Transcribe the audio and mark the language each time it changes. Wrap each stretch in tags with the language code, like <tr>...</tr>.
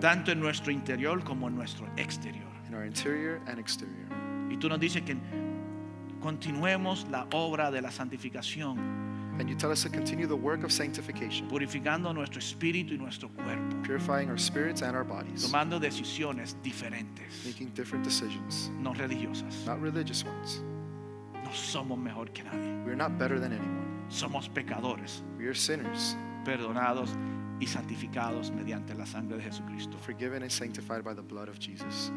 <es>Tanto en nuestro interior como en nuestro exterior.</es> <en>In our interior and exterior.</en> <es>Y tú nos dices que continuemos la obra de la santificación.</es> <en>And you tell us to continue the work of sanctification.</en> <es>Purificando nuestro espíritu y nuestro cuerpo.</es> <en>Purifying our spirits and our bodies.</en> <es>Tomando decisiones diferentes.</es> <en>Making different decisions.</en> <es>No religiosas.</es> <en>Not religious ones.</en> <es>No somos mejor que nadie.</es> <en>We are not better than anyone.</en> <es>Somos pecadores.</es> <en>We are sinners.</en> <es>Perdonados y santificados mediante la sangre de Jesucristo.</es> <en>Forgiven and sanctified by the blood of Jesus.</en>